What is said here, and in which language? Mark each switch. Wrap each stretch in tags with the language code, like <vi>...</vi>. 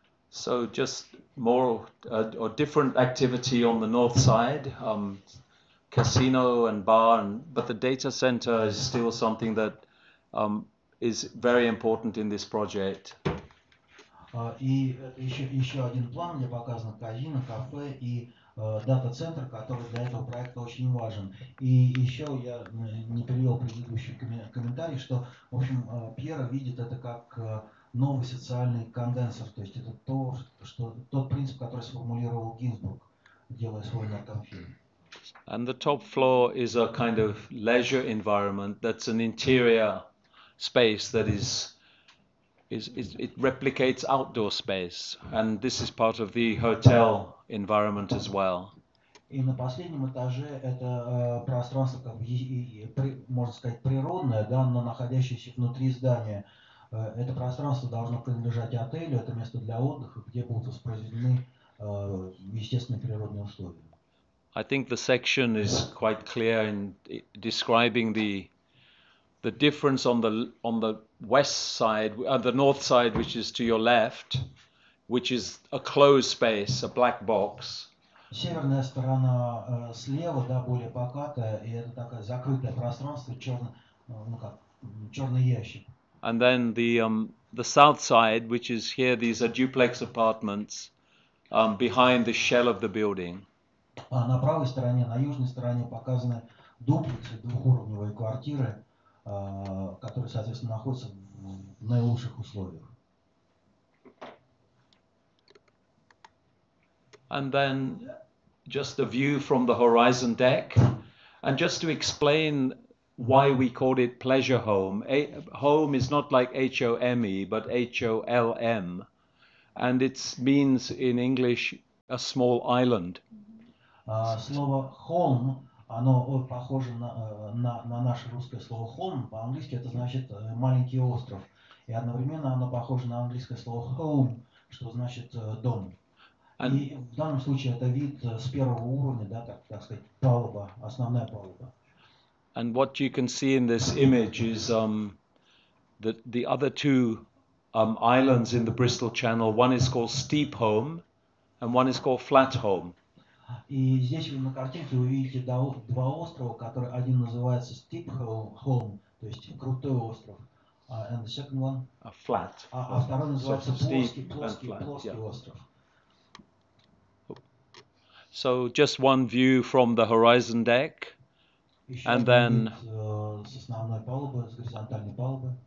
<en>So just more or different activity on the north side, casino and bar, and, but the data center is still something that is very important in this project.</en> <ru>И еще один план, где показано казино, кафе и дата-центр, который для этого проекта очень важен. И еще я не привел предыдущий комментарий, что, в общем, Пьера видит это как новый социальный конденсатор, то есть это то, что тот принцип, который сформулировал Гинзбург, делая свой наркомфильм.</ru> <en>And the top floor is a kind of leisure environment. That's an interior space that is it replicates outdoor space, and this is part of the hotel environment as well.</en> <ru>И на последнем этаже это пространство, как можно сказать, природное, да, но находящееся внутри здания. Это пространство должно принадлежать отелю, это место для отдыха, где будут воспроизведены естественные природные условия.</ru> <en>I think the section is quite clear in describing the difference on the west side, the north side, which is to your left, which is a closed space, a black box.</en> <ru>Северная сторона слева, да, более покатая, и это такое закрытое пространство, черный ящик.</ru> <en>And then the south side, which is here, these are duplex apartments behind the shell of the building.</en> <ru>На правой стороне, на южной стороне показаны дуплексы, двухуровневые квартиры, которые, соответственно, находятся в наилучших условиях.</ru> <en>And then just a view from the horizon deck, and just to explain why we called it pleasure home. Home is not like H-O-M-E, but H-O-L-M, and it means in English a small island.</en> <ru>Слово «холм», оно похоже на наше русское слово «холм», по-английски это значит «маленький остров», и одновременно оно похоже на английское слово «home», что значит «дом». And и в данном случае это вид с первого уровня, да, так сказать, палуба, основная палуба.</ru> <en>And what you can see in this image is the other two islands in the Bristol Channel, one is called Steep Home and one is called Flat Home.</en> <ru>И здесь вы на картинке увидите два острова, который один называется Steep Home, то есть крутой остров,</ru> <en>and the second one a flat.</en> <ru>А второй называется плоский остров.</ru> <en>So just one view from the horizon deck, and then</en> <ru>с основной палубы, с горизонтальной палубы.</ru>